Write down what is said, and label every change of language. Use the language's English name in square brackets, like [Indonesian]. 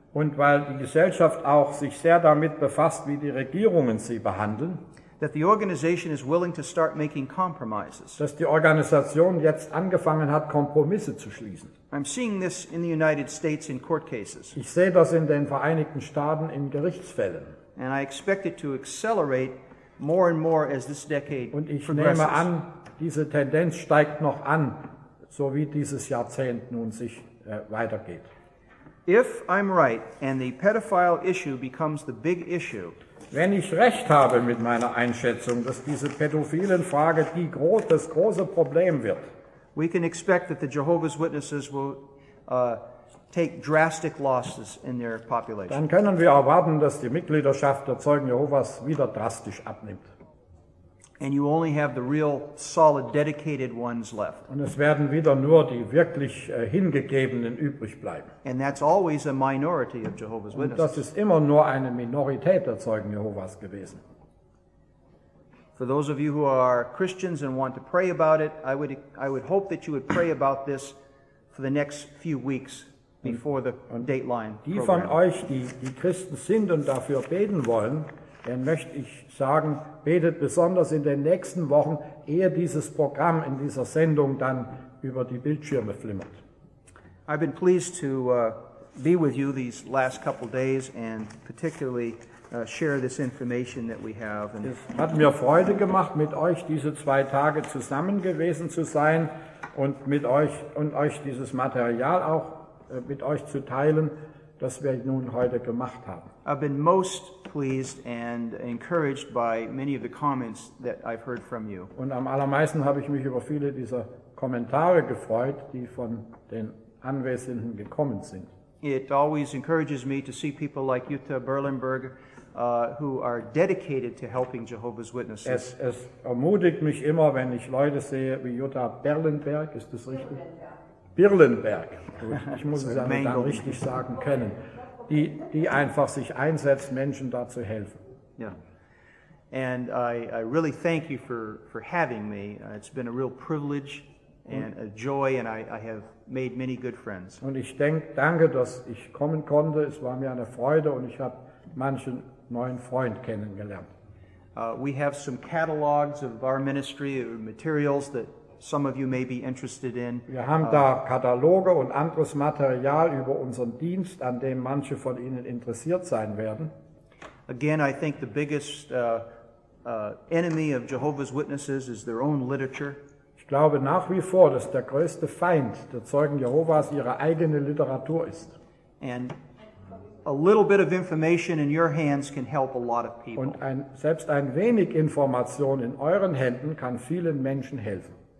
[German] Und weil die Gesellschaft auch sich sehr damit befasst, wie die Regierungen sie behandeln. [English] That the organization is willing to start making compromises. [German] Dass die Organisation jetzt angefangen hat, Kompromisse zu schließen. [English] I'm seeing this in the United States in court cases. [German] Ich sehe das in den Vereinigten Staaten in Gerichtsfällen. [English] And I expect it to accelerate more and more as this decade progresses. [German] Und ich nehme an, diese Tendenz steigt noch an, so wie dieses Jahrzehnt nun sich weitergeht. [English] If I'm right and the pedophile issue becomes the big issue, [German] Wenn ich recht habe mit meiner Einschätzung, dass diese pädophilen Frage das große Problem wird. [English] We can expect that the Jehovah's Witnesses will take drastic losses in their population. [German] Dann können wir erwarten, dass die Mitgliedschaft der Zeugen Jehovas wieder drastisch abnimmt. [English] And you only have the real solid dedicated ones left. [German] Und es werden wieder nur die wirklich hingegebenen übrig bleiben. [English] And that's always a minority of Jehovah's Witnesses. [German] Und das ist immer nur eine Minorität der Zeugen Jehovas gewesen. [English] For those of you who are Christians and want to pray about it, I would hope that you would pray about this for the next few weeks before the Dateline program. [German] Die von euch, die Christen sind und dafür beten wollen, dann möchte ich sagen, betet besonders in den nächsten Wochen, ehe dieses Programm in dieser Sendung dann über die Bildschirme flimmert. [English] I've been pleased to be with you these last couple days and particularly share this information that we have. [German] Es hat mir Freude gemacht, mit euch diese zwei Tage zusammen gewesen zu sein und mit euch und euch dieses Material auch mit euch zu teilen, das wir nun heute gemacht haben. [English] I've been most pleased and encouraged by many of the comments that I've heard from you. [German] Und am allermeisten habe ich mich über viele dieser Kommentare gefreut, die von den Anwesenden gekommen sind. [English] It always encourages me to see people like Jutta Berlenberg, who are dedicated to helping Jehovah's Witnesses. [German] Es ermutigt mich immer, wenn ich Leute sehe wie Jutta Berlenberg, ist das richtig? Birlenberg, ich muss es dann richtig sagen können, die einfach sich einsetzt, Menschen da zu helfen. [English] Yeah. And I really thank you for having me. It's been a real privilege and a joy, and I have made many good friends. [German] Und ich danke, dass ich kommen konnte. Es war mir eine Freude und ich habe manchen neuen Freund kennengelernt. [English] We have some catalogs of our ministry, materials that some of you may be interested in. [German] Wir haben da Kataloge und anderes Material über unseren Dienst, an dem manche von Ihnen interessiert sein werden. [English] Again, I think the biggest enemy of Jehovah's Witnesses is their own literature. [German] Ich glaube nach wie vor, dass der größte Feind der Zeugen Jehovas ihre eigene Literatur ist. [English] And a little bit of information in your hands can help a lot of people. [German] Und selbst ein wenig Information in euren Händen kann vielen Menschen helfen.